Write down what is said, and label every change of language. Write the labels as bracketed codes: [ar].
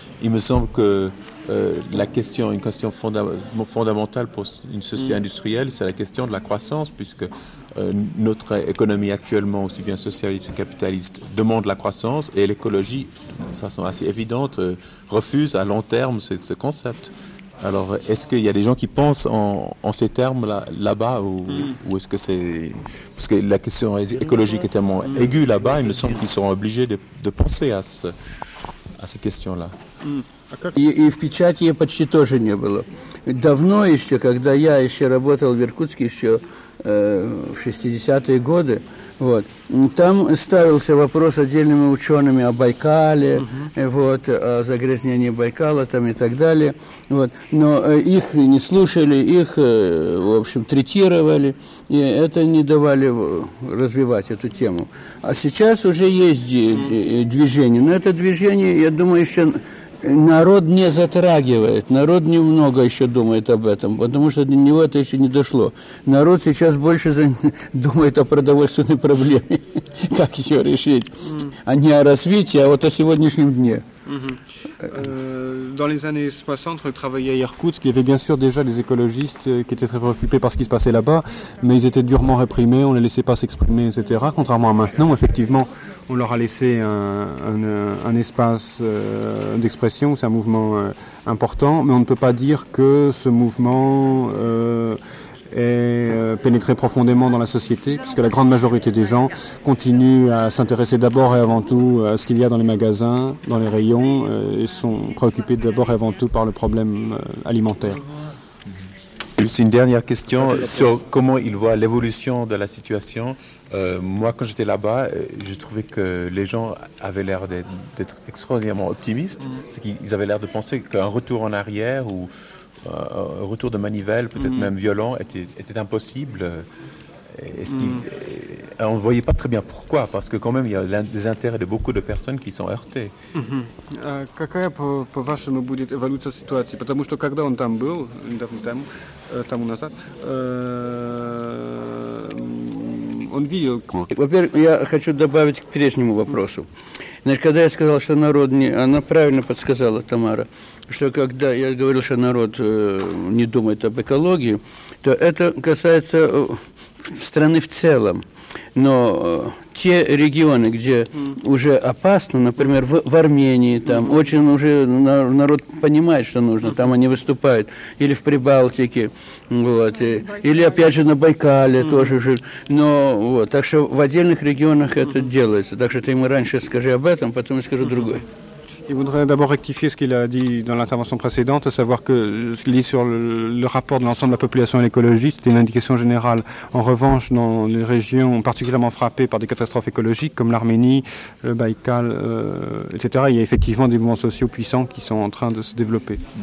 [fr] Il me semble que une question fondamentale pour une société industrielle, c'est la question de la croissance, puisque notre économie actuellement, aussi bien socialiste que capitaliste, demande la croissance, et l'écologie, de façon assez évidente, refuse à long terme ce concept. Alors, est-ce qu'il y a des gens qui pensent en ces termes là-bas ou est-ce que c'est... Parce que la question écologique est tellement aiguë là-bas, il me semble qu'ils seront obligés de penser à ces questions-là. [ru] И в печати почти тоже не было. Давно еще, когда я еще работал в Иркутске, еще в 60-е годы, Вот. Там ставился вопрос отдельными учеными о Байкале, uh-huh. вот, о загрязнении Байкала там, и так далее. Вот. Но их не слушали, их, в общем, третировали, и это не давали развивать эту тему. А сейчас уже есть движение. Но это движение, я думаю, еще народ не затрагивает, народ немного еще думает об этом, потому что до него это еще не дошло. Народ сейчас больше думает о продовольственной проблеме, как ее решить, а не о развитии, а вот о сегодняшнем дне. [fr] Dans les années 60, quand je travaillais à Irkoutsk, il y avait bien sûr déjà des écologistes qui étaient très préoccupés par ce qui se passait là-bas, mais ils étaient durement réprimés, on ne les laissait pas s'exprimer, etc. Contrairement à maintenant, où effectivement, on leur a laissé un espace d'expression, c'est un mouvement important, mais on ne peut pas dire que ce mouvement est pénétré profondément dans la société, puisque la grande majorité des gens continuent à s'intéresser d'abord et avant tout à ce qu'il y a dans les magasins, dans les rayons, et sont préoccupés d'abord et avant tout par le problème alimentaire. Juste une dernière question sur comment ils voient l'évolution de la situation. Moi, quand j'étais là-bas, je trouvais que les gens avaient l'air d'être extraordinairement optimistes. C'est qu'ils avaient l'air de penser qu'un retour en arrière ou un retour de manivelle, peut-être même violent, était impossible. Est-ce qu'on ne voyait pas très bien pourquoi, parce que quand même, il y a des intérêts de beaucoup de personnes qui sont heurtées. [ru] Какая, по-вашему, будет эволюция ситуации? Потому что, когда он там был, недавно тому назад, он видел... Во-первых, я хочу добавить к прежнему вопросу. Значит, когда я сказал, что народ не... Она правильно подсказала, Тамара, что когда я говорил, что народ не думает об экологии, то это касается страны в целом. Но те регионы, где уже опасно, например, в Армении, там очень уже народ понимает, что нужно, там они выступают, или в Прибалтике, вот, или опять же на Байкале тоже уже. Но вот, так что в отдельных регионах это делается. Так что ты ему раньше скажи об этом, потом я скажу другое. [fr] Il voudrait d'abord rectifier ce qu'il a dit dans l'intervention précédente, à savoir que ce qu'il dit sur le rapport de l'ensemble de la population à l'écologie, c'est une indication générale. En revanche, dans les régions particulièrement frappées par des catastrophes écologiques, comme l'Arménie, le Baïkal, etc., il y a effectivement des mouvements sociaux puissants qui sont en train de se développer.